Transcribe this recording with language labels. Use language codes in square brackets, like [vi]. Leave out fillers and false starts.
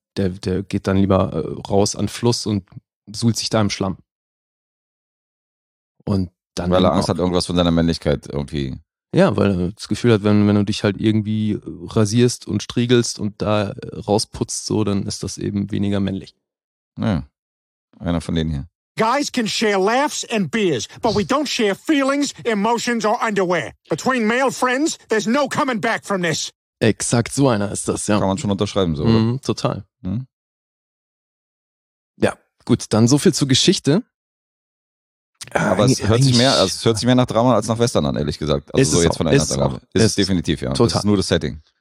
[de] Der geht dann lieber raus an den Fluss und suhlt sich da im Schlamm. Und dann. Weil er Angst hat, irgendwas von seiner Männlichkeit irgendwie. Ja, weil er das Gefühl hat, wenn du dich halt irgendwie rasierst und striegelst und da rausputzt, so, dann ist das eben weniger männlich. Naja, einer von denen hier. [en] Guys can share laughs and beers, but we don't share feelings, emotions or underwear. Between male friends, there's no coming back from this. [de] Exakt so einer ist das, ja. Kann man schon unterschreiben, so. Mhm, oder? Total. Mhm. Ja, gut, dann so viel zur Geschichte. Aber es hört sich mehr nach Drama als nach Western an, ehrlich gesagt. Also ist so es jetzt auch, von der Inhalt auch. Ist es definitiv, ja. Total. Das ist nur das Setting.